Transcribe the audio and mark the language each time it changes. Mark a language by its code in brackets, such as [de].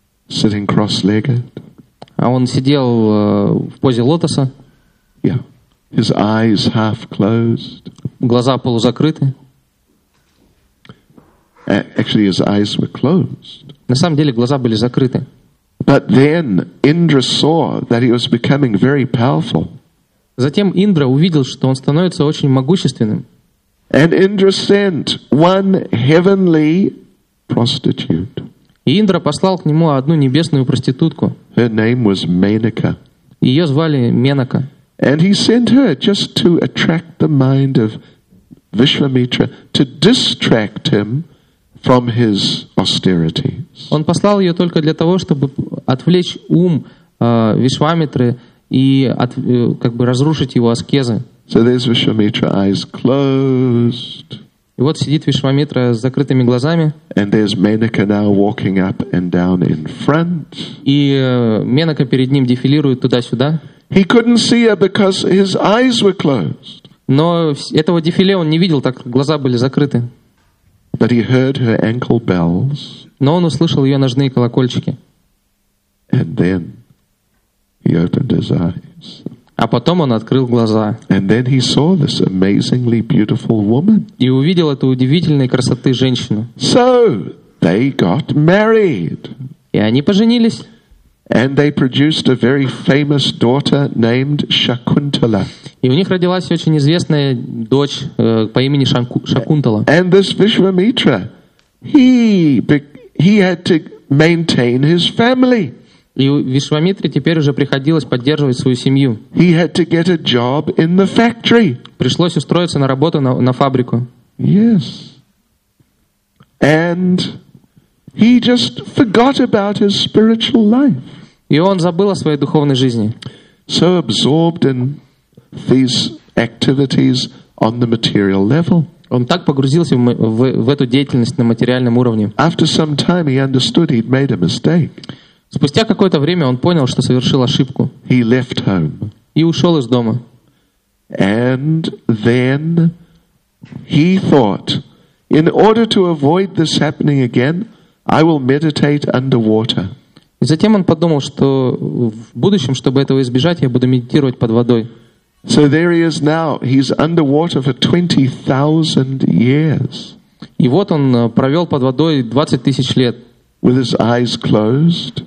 [en] Sitting cross-legged. [ru] А он сидел в позе лотоса. [en] Yeah. His eyes half closed. [ru] Глаза полузакрыты. [en] Actually, his eyes were closed. [ru] На самом деле глаза были закрыты. [en] But then Indra saw that he was becoming very powerful. [ru] Затем Индра увидел, что он становится очень могущественным. [en] And Indra sent one heavenly prostitute. [ru] И Индра послал к нему одну небесную проститутку. [en] Her name was Menaka. [ru] Ее звали Менака. [en] And he sent her just to attract the mind of Vishvamitra, to distract him from his austerities. [ru] Он послал ее только для того, чтобы отвлечь ум Вишвамитры и как бы разрушить его аскезы. [en] So there's Vishvamitra, eyes closed. [ru] И вот сидит Вишвамитра с закрытыми глазами. [en] And there's Menaka now walking up and down in front. [ru] И Менака перед ним дефилирует туда-сюда. [en] He couldn't see her because his eyes were closed. [ru] Но этого дефиле он не видел, так глаза были закрыты. [en] But he heard her ankle bells. [ru] Но он услышал ее ножные колокольчики. [en] And then he opened his eyes. [ru] А потом он открыл глаза. [en] And then he saw this amazingly beautiful woman. [ru] И увидел эту удивительной красоты женщину. [en] So they got married. [ru] И они поженились. [en] And they produced a very famous daughter named Shakuntala. [ru] И у них родилась очень известная дочь по имени Шакунтала. [en] And this Vishvamitra, he had to maintain his family. [ru] И Вишвамитре теперь уже приходилось поддерживать свою семью. [en] He had to get a job in the factory. [ru] Пришлось устроиться на работу на фабрику. [en] Yes. And he just forgot about his spiritual life. [ru] И он забыл о своей духовной жизни. [en] So absorbed in these activities on the material level. [ru] Он так погрузился в эту деятельность на материальном уровне. [en] After some time he understood he'd made a mistake. [ru] Спустя какое-то время он понял, что совершил ошибку. [en] He left home. [ru] И ушел из дома. [en] And then he thought, in order to avoid this happening again, I will meditate underwater. [ru] И затем он подумал, что в будущем, чтобы этого избежать, я буду медитировать под водой. [en] So there he is now. He's underwater for 20,000 years. [ru] И вот он провел под водой 20 тысяч лет. [en] With his eyes closed.